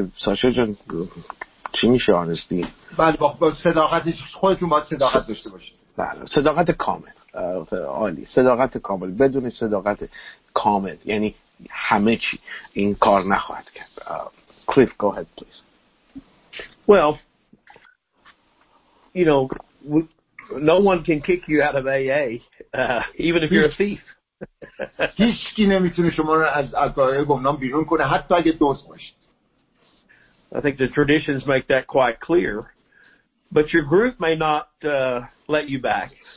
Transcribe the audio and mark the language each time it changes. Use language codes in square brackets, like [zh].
[fa] ساشا جان چی میشه honesty؟ بله با صداقت، خودتون باید صداقت داشته باشید. بله صداقت کامل، عالی، صداقت کامل، بدون صداقت کامل یعنی همه چی این کار نخواهد کرد. [en] Cliff, go ahead, please. Well, you know, no one can kick you out of AA, even if you're a thief. [fa] هیچ کی نمیتونه شما رو از آگاهی گمنام بیرون کنه حتی اگه دوست باشید. [en] I think the traditions make that quite clear, but your group may not let you back.